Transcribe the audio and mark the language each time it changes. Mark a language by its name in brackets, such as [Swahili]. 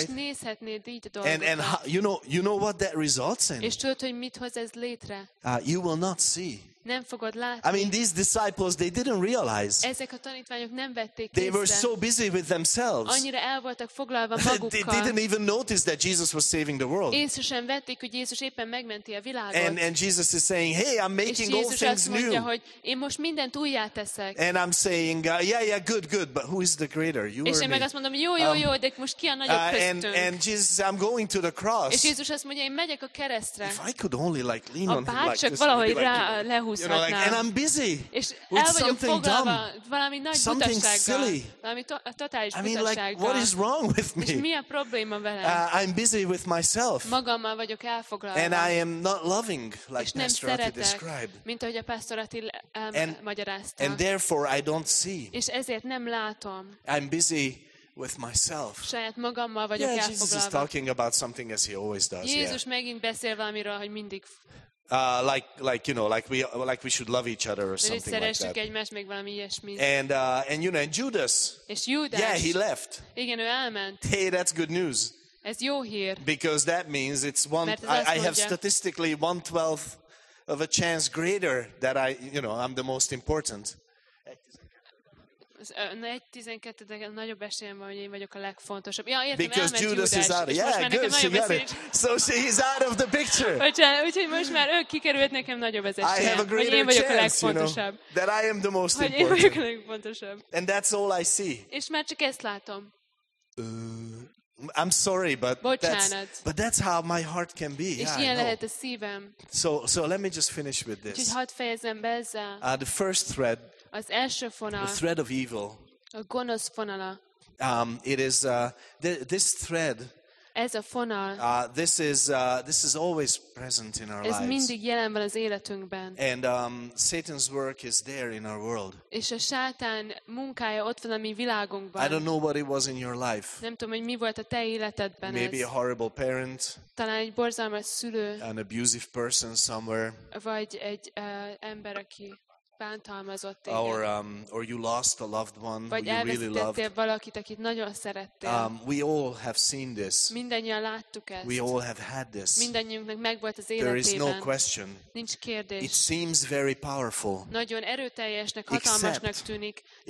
[Hungarian] És nézhetnéd így a dolgokat. [English] And you know what that results in? [Hungarian] És tudod, hogy mit hoz ez létre? [English] You will not see. [Hungarian] Nem fogod látni. [English] I mean, these disciples, they didn't realize. [Hungarian] Ezek a tanítványok nem vették észre. [English] They were so busy with themselves. [Hungarian] Annyira el voltak foglalva magukkal. [English] They didn't even notice that Jesus was saving the world. [Hungarian] Észre sem vették, hogy Jézus éppen megmenti a világot. [English] And Jesus is saying, hey, I'm making all things new. [Hungarian] És Jézus azt mondja, hogy én most mindent újjáteszek. [English] And I'm saying, yeah, good, but who is the greater? You or me? [Hungarian] És én meg azt mondom, jó, de most ki a nagyobb köztünk? [English] And Jesus says, I'm going to the cross. [Hungarian] És Jézus azt mondja, én megyek a keresztre. [English] If I could only, like, lean on him like this, [Hungarian] valahogy rá, [English] like, you know, like, and I'm busy with something dumb, something silly. [Hungarian] Totális [English] I mean, like, what is wrong with me? [Hungarian] És mi a probléma velem? [English] I'm busy with myself. [Hungarian] Magammal vagyok elfoglalva. [English] And I am not loving, like Pastor Ati described. [Hungarian] Mint ahogy a Pastor Ati magyarázta. [English] And therefore I don't see. [Hungarian] És ezért nem látom. [English] I'm busy with myself. [Hungarian] Saját magammal vagyok elfoglalva. [English] Jesus is talking about something as he always does. [Hungarian] Jézus megint beszél valamiről, hogy mindig. [English] Like you know, like we should love each other or something like that. [Hungarian] Egymást, még valami ilyesmi. [English] And you know, and Judas. [Hungarian] És Judas. [English] Yeah, he left. [Hungarian] Igen, ő elment. [English] Hey, that's good news. [Hungarian] Ez jó hír. [English] Because that means it's one. I have statistically 1/12 of a chance greater that I, you know, I'm the most important. [Hungarian] Egy 12-en nagyobb esélyem van, hogy én vagyok a legfontosabb. Ja, értem, [English] because [Hungarian] elment [English] Judas [Hungarian] Judás, [English] is out. Yeah, good, she got it. So he's out of the picture. [Hungarian] Úgyhogy most már ő kikerült, nekem nagyobb az esélyem. [English] I have a greater [Hungarian] én vagyok [English] chance, [Hungarian] a legfontosabb. [English] You know, that I am the most [Hungarian] hogy [English] important. [Hungarian] Én vagyok a legfontosabb. [English] And that's all I see. [Hungarian] És már csak ezt látom. [English] I'm sorry, but that's how my heart can be. [Hungarian] És [English] yeah, [Hungarian] ilyen lehet a szívem. [English] So let me just finish with this. [Hungarian] Úgyhogy hadd fejezem be ezzel. [English] The first thread. [Hungarian] Az első fonal, [English] the thread of evil. [Hungarian] A gonosz fonala. [English] It is this thread. [Hungarian] Ez a fonal. [English] This is always present in our lives. [Hungarian] Ez mindig jelen van az életünkben. [English] And Satan's work is there in our world. [Hungarian] És a sátán munkája ott van a mi világunkban. [English] I don't know what it was in your life. [Hungarian] Nem tudom, hogy mi volt a te életedben. [English] Maybe [Hungarian] ez. [English] A horrible parent. [Hungarian] Talán egy borzalmas szülő. [English] An abusive person somewhere. [Hungarian] Vagy egy ember, aki bántalmazott téged. [English] Or you lost a loved one who you really loved. [Hungarian] Vagy elvesztettél valakit, akit nagyon szerettél. [English] We all have seen this. [Hungarian] Mindannyian láttuk ezt. [English] We all have had this. [Hungarian] Mindannyiunknak megvolt az életében. [English] There is no question. [Hungarian] Nincs kérdés. [English] It seems very powerful. [Hungarian] Nagyon erőteljesnek, hatalmasnak tűnik.